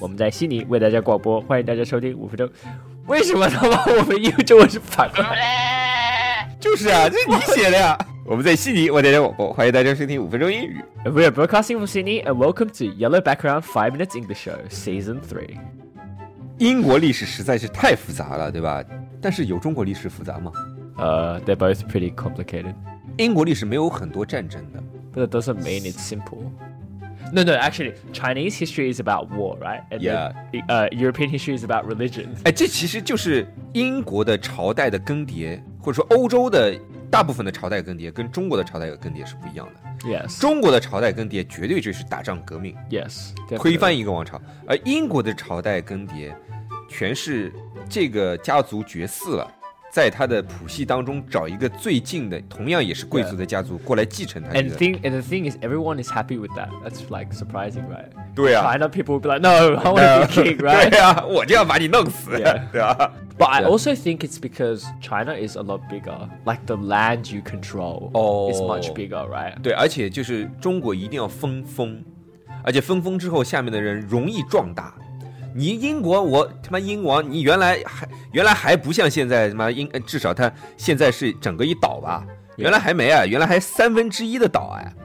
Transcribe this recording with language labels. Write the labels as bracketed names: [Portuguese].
[Chinese] 我们在悉尼为大家广播欢迎大家收听五分钟为什么他妈我们英语中文是反过来就是啊这是你写的呀我们在悉尼为大家广播欢迎大家收听五分钟英语 [English] We are broadcasting from Sydney and welcome to Yellow Background 5 Minutes English Show Season 3 [Chinese] 英国历史实在是太复杂了对吧但是有中国历史复杂吗 [English] They're both pretty complicated [Chinese] 英国历史没有很多战争的 [English] But that doesn't mean it's simple. No, no, actually, Chinese history is about war, right? And yeah. European history is about religion. [Chinese] 哎，这其实就是英国的朝代的更迭，或者说欧洲的大部分的朝代更迭，跟中国的朝代更迭是不一样的。 [English] Yes. [Chinese] 中国的朝代更迭绝对就是打仗革命。 [English] Yes. [Chinese] 推翻一个王朝，而英国的朝代更迭，全是这个家族绝嗣了。在他的谱系当中找一个最近的同样也是贵族的家族、yeah. 过来继承他、这个、 [English] and the thing is everyone is happy with that that's like surprising right [Chinese] 对啊 [English] China people would be like no I want to be king right [Chinese] 对啊我就要把你弄死、yeah. 对啊 [English] but I also think it's because China is a lot bigger like the land you control、 oh, is much bigger right [Chinese] 对而且就是中国一定要分封而且分封之后下面的人容易壮大你英国我他妈英王你原来还不像现在他妈英至少他现在是整个一岛吧、 [English] yeah. [Chinese] 原来还没啊原来还三分之一的岛哎、啊、